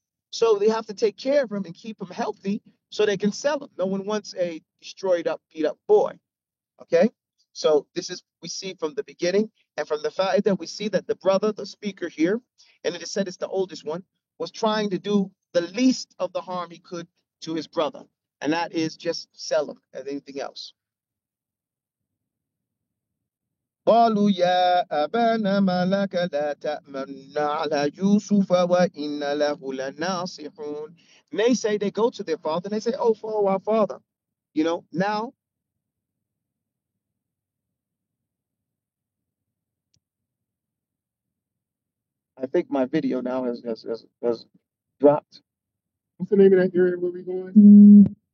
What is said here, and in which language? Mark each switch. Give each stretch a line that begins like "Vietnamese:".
English: So they have to take care of him and keep him healthy so they can sell him. No one wants a destroyed up, beat up boy. Okay? So this is, we see from the beginning and from the fact that we see that the brother, the speaker here, and it is said it's the oldest one, was trying to do the least of the harm he could to his brother. And that is just sell them as anything else.
Arabic: قالوا يا أبانا ما لك لا تأمن على يوسف وإن له لناصحون.
English: They say, they go to their father and they say, oh, for our father. You know, now. I think my video now has dropped. What's the name of that area where we're going?